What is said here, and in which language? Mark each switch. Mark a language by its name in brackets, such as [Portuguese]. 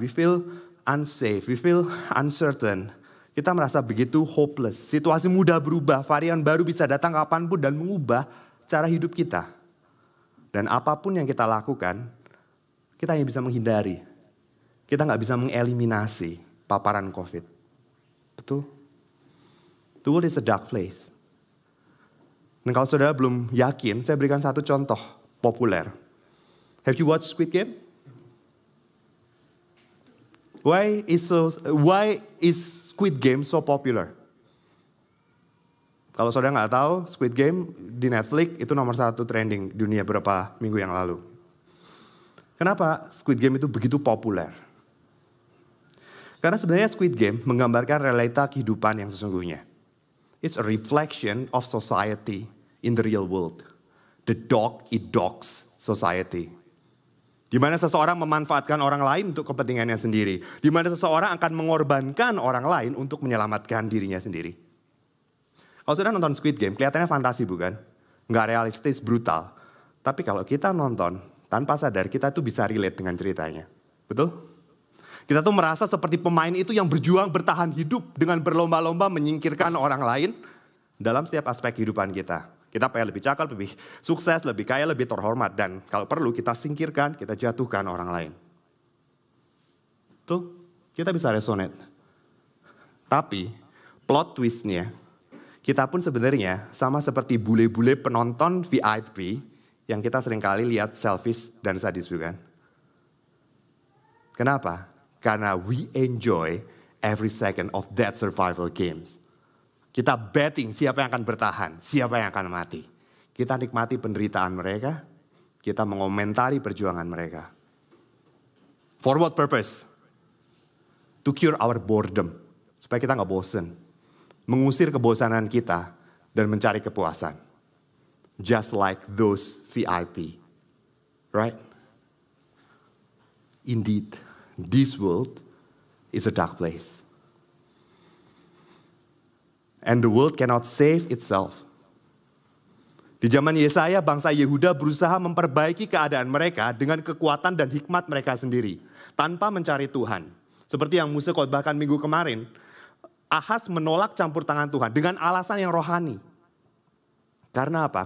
[English] We feel unsafe. We feel uncertain. [Indonesian] Kita merasa begitu hopeless. Situasi mudah berubah. Varian baru bisa datang kapanpun dan mengubah cara hidup kita. Dan apapun yang kita lakukan, kita hanya bisa menghindari. Kita gak bisa mengeliminasi paparan COVID. Betul. [English] The world is a dark place. [Indonesian] Dan kalau saudara belum yakin, saya berikan satu contoh populer. [English] Have you watched Squid Game? Why is Squid Game so popular? [Indonesian] Kalau saudara nggak tahu, Squid Game di Netflix itu nomor satu trending dunia beberapa minggu yang lalu. Kenapa Squid Game itu begitu populer? Karena sebenarnya Squid Game menggambarkan realita kehidupan yang sesungguhnya. [English] It's a reflection of society in the real world. The dog eat dogs society. [Indonesian] Di mana seseorang memanfaatkan orang lain untuk kepentingannya sendiri. Di mana seseorang akan mengorbankan orang lain untuk menyelamatkan dirinya sendiri. Kalau sudah nonton Squid Game, kelihatannya fantasi bukan? Nggak realistis, brutal. Tapi kalau kita nonton, tanpa sadar kita tuh bisa relate dengan ceritanya. Betul? Kita tuh merasa seperti pemain itu yang berjuang bertahan hidup dengan berlomba-lomba menyingkirkan orang lain dalam setiap aspek kehidupan kita. Kita pengen lebih cakep, lebih sukses, lebih kaya, lebih terhormat. Dan kalau perlu kita singkirkan, kita jatuhkan orang lain. Tuh, kita bisa resonate. Tapi plot twistnya, kita pun sebenarnya sama seperti bule-bule penonton VIP yang kita seringkali lihat selfish dan sadis, bukan? Kenapa? [English] Karena we enjoy every second of that survival games. [Indonesian] Kita betting siapa yang akan bertahan, siapa yang akan mati. Kita nikmati penderitaan mereka, kita mengomentari perjuangan mereka. [English] For what purpose? To cure our boredom, [Indonesian] supaya kita gak bosen. Mengusir kebosanan kita dan mencari kepuasan. [English] Just like those VIP, right? Indeed, this world is a dark place. And the world cannot save itself. [Indonesian] Di zaman Yesaya, bangsa Yehuda berusaha memperbaiki keadaan mereka dengan kekuatan dan hikmat mereka sendiri, tanpa mencari Tuhan. Seperti yang Musa khotbahkan minggu kemarin, Ahaz menolak campur tangan Tuhan dengan alasan yang rohani. Karena apa?